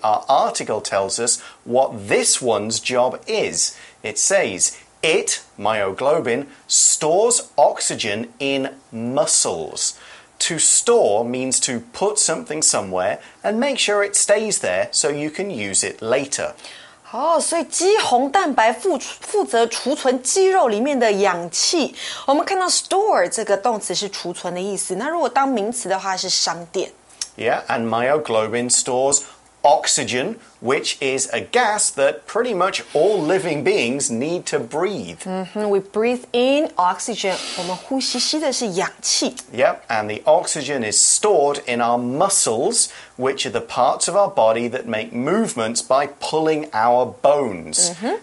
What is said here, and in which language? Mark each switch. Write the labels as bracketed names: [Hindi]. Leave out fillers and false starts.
[English] Our article tells us what this one's job is. It says, it, myoglobin, stores oxygen in muscles. To store means to put something somewhere and make sure it stays there so you can use it later. [Chinese] 哦，所以肌红蛋白负责储存肌肉里面的氧气。我们看到 store 这个动词是储存的意思，那如果当名词的话是商店。 [English] Yeah, and myoglobin stores oxygen, which is a gas that pretty much all living beings need to breathe. Mm-hmm, we breathe in oxygen. [Chinese] 我们呼吸吸的是氧气。 [English] Yep, and the oxygen is stored in our muscles, which are the parts of our body that make movements by pulling our bones. Mm-hmm.